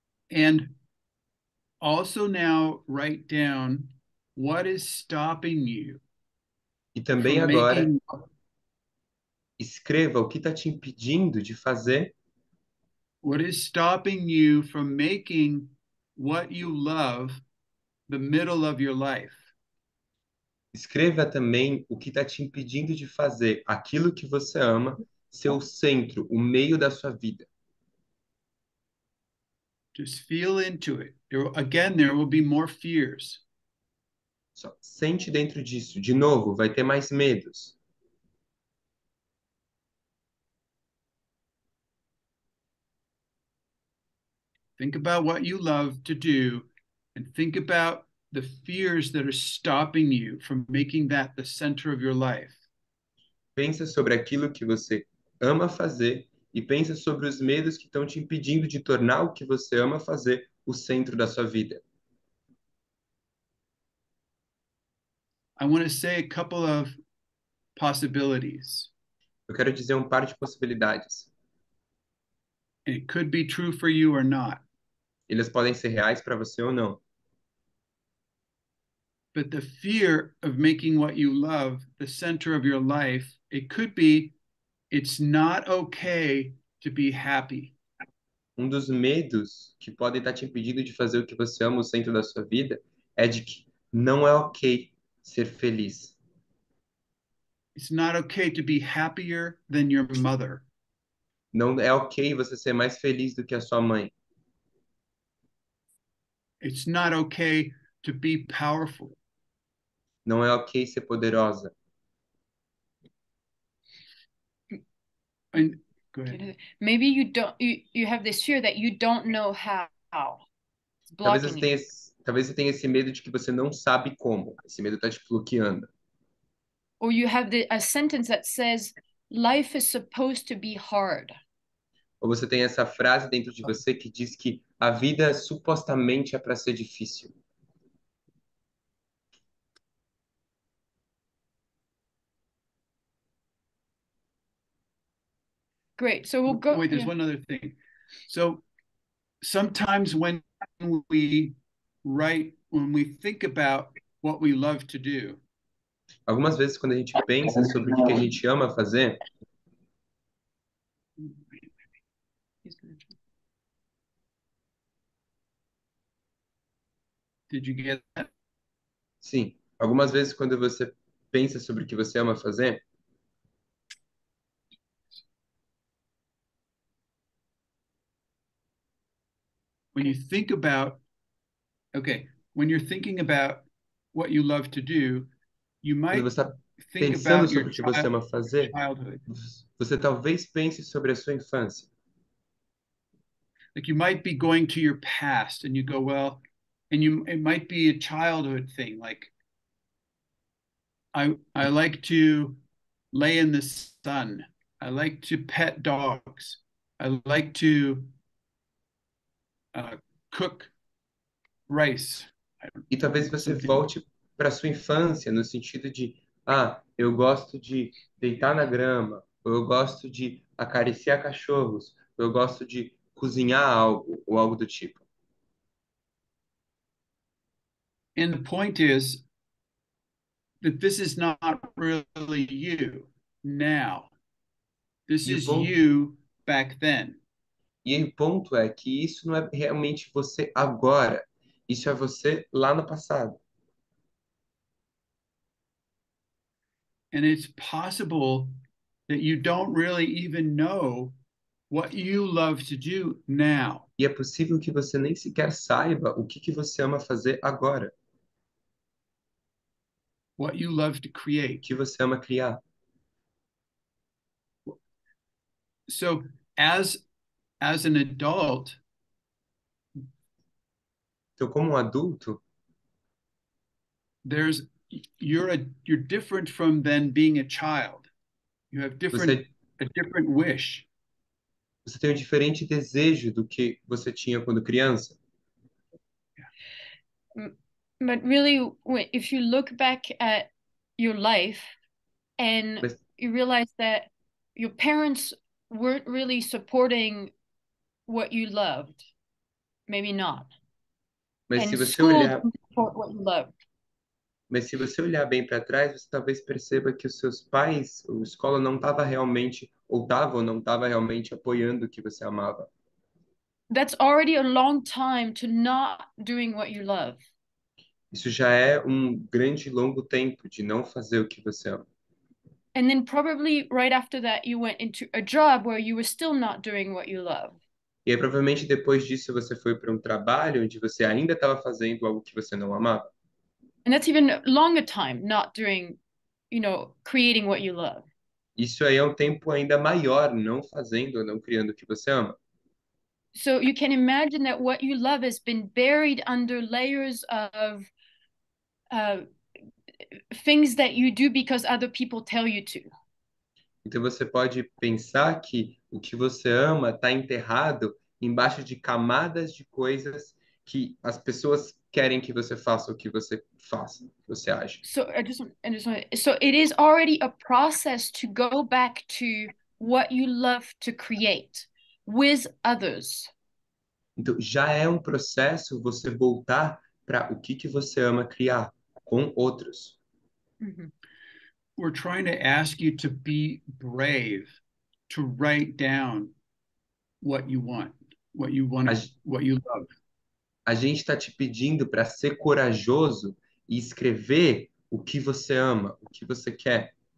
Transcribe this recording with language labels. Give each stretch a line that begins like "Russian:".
English: And also now write down what is stopping you.
Portuguese: E também agora escreva o que está te impedindo de fazer.
English: What is stopping you from making what you love the middle of your life?
Portuguese: Escreva também o que está te impedindo de fazer aquilo que você ama. Seu centro, o meio da sua vida.
English: Just feel into it. There will be more fears.
Portuguese: Só sente dentro disso. De novo, vai ter mais medos.
English: Think about what you love to do and think about the fears that are stopping you from making that the center of your life.
Portuguese: Pensa sobre aquilo que você ama fazer e pensa sobre os medos que estão te impedindo de tornar o que você ama fazer o centro da sua vida.
English: I want to say a couple of possibilities.
Portuguese: Eu quero dizer um par de possibilidades.
English: It could be true for you or not.
Portuguese: Eles podem ser reais para você ou não.
English: But the fear of making what you love the center of your life, it could be it's not okay to be happy.
Portuguese: Um dos medos que podem estar te impedindo de fazer o que você ama o centro da sua vida é de que não é ok ser feliz.
English: It's not okay to be happier than your mother.
Portuguese: Não é ok você ser mais feliz do que a sua mãe.
English: It's not okay to be powerful.
Portuguese: Não é ok ser poderosa.
English: And, go ahead. Maybe you don't you have this fear that you don't know how. It's blocking
Portuguese: talvez você tenha
English: you.
Portuguese: Talvez você tenha esse medo de que você não sabe como. Esse medo está te bloqueando.
English: Or you have a sentence that says life is supposed to be hard.
Portuguese: Ou você tem essa frase dentro de você que diz que a vida supostamente é para ser difícil.
English: Great. So we'll go. Wait, there's one other thing. So sometimes when we right when we think about what we love to do.
Portuguese: Algumas vezes quando a gente pensa sobre o que a gente ama fazer.
English: Did you get that?
Portuguese: Sim, algumas vezes quando você pensa sobre o que você ama fazer.
English: When you think about, okay, when you're thinking about what you love to do, you might
Portuguese: quando você está pensando sobre o que você ama fazer, você talvez pense sobre a sua infância.
English: Like you might be going to your past and you go, well, and you, it might be a childhood thing, like I like to lay in the sun, I like to pet dogs, I like to cook rice.
Portuguese: E talvez você volte para sua infância no sentido de, ah, eu gosto de deitar na grama, ou eu gosto de acariciar cachorros, ou eu gosto de cozinhar algo, ou algo do tipo.
English: And the point is that this is not really you now. This is you back then.
Portuguese: E o ponto é que isso não é realmente você agora. Isso é você lá no passado.
English: And it's possible that you don't really even know what you love to do now.
Portuguese: E é possível que você nem sequer saiba o que você ama fazer agora.
English: What you love to create.
Portuguese: O que você ama criar.
English: So, as an adult,
Portuguese: então, como um adulto,
English: there's you're different from then being a child. You have different a different wish.
Portuguese: Você tem um diferente desejo do que você tinha quando criança.
English: But really, if you look back at your life and you realize that your parents weren't really supporting what you loved, maybe not.
Portuguese: Mas
English: and
Portuguese: se você
English: school
Portuguese: olhar...
English: didn't support what you loved.
Portuguese: Mas se você olhar bem para trás, você talvez perceba que os seus pais, a escola não estava realmente, ou estava ou não estava realmente apoiando o que você amava.
English: That's already a long time to not doing what you love.
Portuguese: Isso já é um grande longo tempo de não fazer o que você ama.
English: And then probably right after that you went into a job where you were still not doing what you love.
Portuguese: E aí, provavelmente depois disso você foi para um trabalho onde você ainda estava fazendo algo que você não amava.
English: And that's even longer time not doing, you know, creating what you love.
Portuguese: Isso aí é um tempo ainda maior não fazendo ou não criando o que você ama.
English: So you can imagine that what you love has been buried under layers of things that you do because other people tell you to.
Portuguese: Então você pode pensar que o que você ama está enterrado embaixo de camadas de coisas que as pessoas querem que você faça o que você faça, que você age.
English: So I just want, so it is already a process to go back to what you love to create. With others.
Portuguese: Então, já é um processo você voltar para o que você ama criar com outros. Mm-hmm.
English: We're trying to ask you to be brave, to write down what you want, what you love.
Portuguese: A gente está te pedindo para ser corajoso e escrever o que você ama, o que você quer.